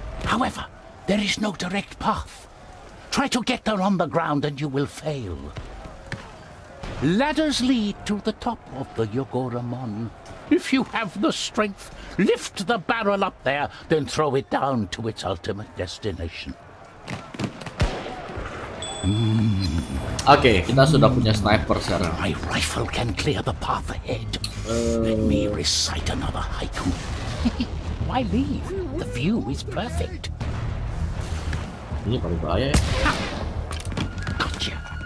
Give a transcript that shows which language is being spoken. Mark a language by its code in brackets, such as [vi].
[en] However, there is no direct path. Try to get there on the ground, and you will fail. Ladders lead to the top of the Yogoramon. If you have the strength, lift the barrel up there, then throw it down to its ultimate destination. [id] Okay, kita sudah punya sniper sekarang. [en] My rifle can clear the path ahead. Let me recite another haiku. Why leave? The view is perfect. [id] Ini paling bahaya ya. [en] Gotcha.